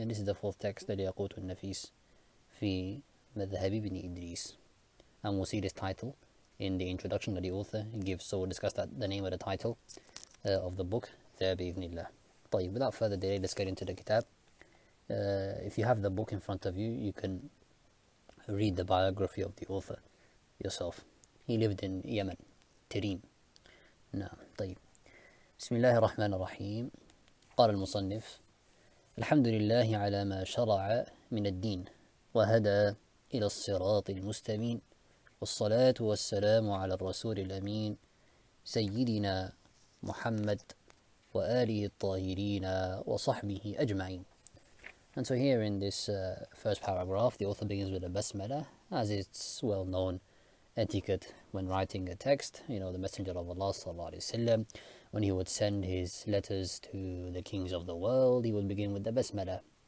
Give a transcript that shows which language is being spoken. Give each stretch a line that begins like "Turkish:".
English: And this is the fourth text, Al-Yaqut Al-Nafis. في مذهب ابن إدريس and we'll see this title in the introduction that the author gives so we'll discuss that, the name of the title of the book there
Arabic: بإذن الله.
English: طيب, without further delay let's get into the كتاب. If you have the book in front of you you can read the biography of the author yourself. He lived in Yemen, تريم. نعم.
Arabic: طيب, بسم الله الرحمن الرحيم. قال المصنف الحمد لله على ما شرع من الدين وهدى إلى الصراط المستقيم والصلاة والسلام على الرسول الأمين سيدنا محمد وآله الطاهرين وصحبه أجمعين.
English: And so here in this first paragraph, the author begins with a basmala, as it's well known etiquette when writing a text. You know, the Messenger of Allah sallallahu alaihi wasallam, when he would send his letters to the kings of the world, he would begin with the basmala.